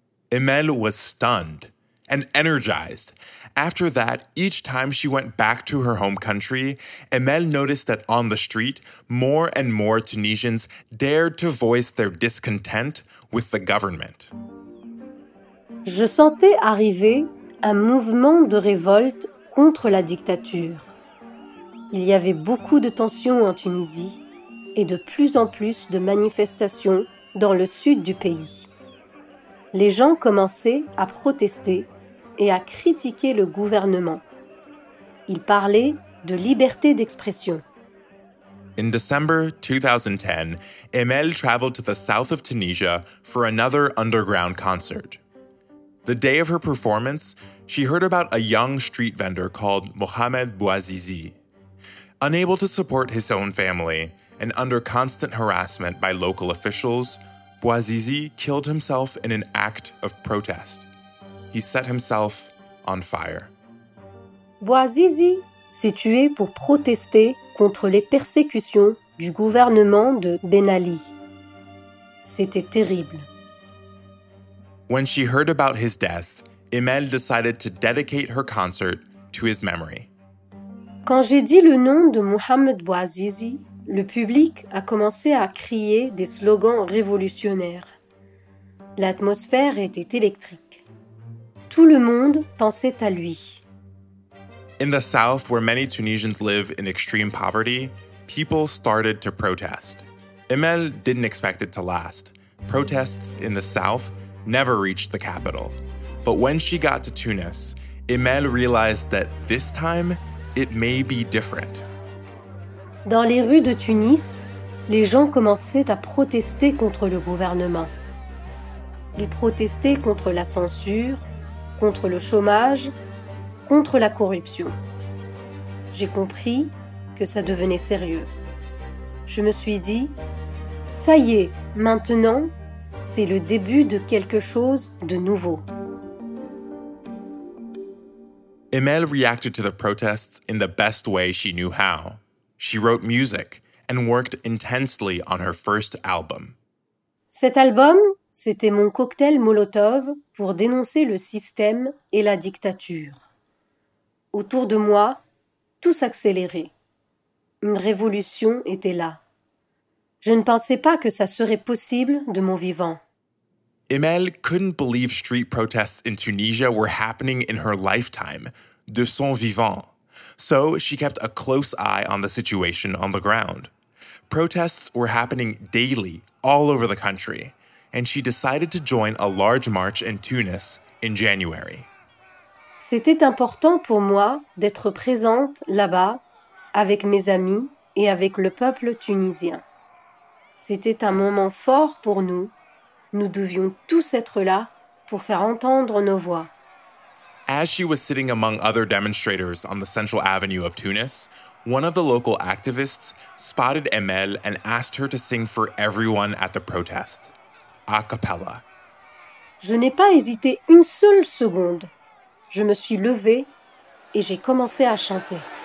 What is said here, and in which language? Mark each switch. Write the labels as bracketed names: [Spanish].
[English] Emel was stunned and energized. After that, each time she went back to her home country, Emel noticed that on the street, more and more Tunisians dared to voice their discontent with the government. [French] Je sentais arriver un mouvement de révolte contre la dictature. Il y avait beaucoup de tensions en Tunisie et de plus en plus de manifestations dans le sud du pays. Les gens commençaient à protester et à critiquer le gouvernement. Ils parlaient de liberté d'expression. [English] In December 2010, Emel traveled to the south of Tunisia for another underground concert. The day of her performance, she heard about a young street vendor called Mohamed Bouazizi. Unable to support his own family and under constant harassment by local officials, Bouazizi killed himself in an act of protest. He set himself on fire. [French] Bouazizi s'est tué pour protester contre les persécutions du gouvernement de Ben Ali. C'était terrible. [English] When she heard about his death, Imel decided to dedicate her concert to his memory. [French] Quand j'ai dit le nom de Mohamed Bouazizi, le public a commencé à crier des slogans révolutionnaires. L'atmosphère était électrique. Tout le monde pensait à lui. [English] In the south, where many Tunisians live in extreme poverty, people started to protest. Imel didn't expect it to last. Protests in the south never reached the capital. But when she got to Tunis, Imel realized that this time, it may be different. [French] Dans les rues de Tunis, les gens commençaient à protester contre le gouvernement. Ils protestaient contre la censure, contre le chômage, contre la corruption. J'ai compris que ça devenait sérieux. Je me suis dit, ça y est, maintenant, c'est le début de quelque chose de nouveau. [English] Imel reacted to the protests in the best way she knew how. She wrote music and worked intensely on her first album. [French] Cet album, c'était mon cocktail Molotov pour dénoncer le système et la dictature. Autour de moi, tout s'accélérait. Une révolution était là. Je ne pensais pas que ça serait possible de mon vivant. [English] Imel couldn't believe street protests in Tunisia were happening in her lifetime, [French] de son vivant. [English] So she kept a close eye on the situation on the ground. Protests were happening daily all over the country, and she decided to join a large march in Tunis in January. [French] C'était important pour moi d'être présente là-bas avec mes amis et avec le peuple tunisien. C'était un moment fort pour nous. Nous devions tous être là pour faire entendre nos voix. [English] As she was sitting among other demonstrators on the central avenue of Tunis, one of the local activists spotted Imel and asked her to sing for everyone at the protest, a cappella. [French] Je n'ai pas hésité une seule seconde. Je me suis levée et j'ai commencé à chanter.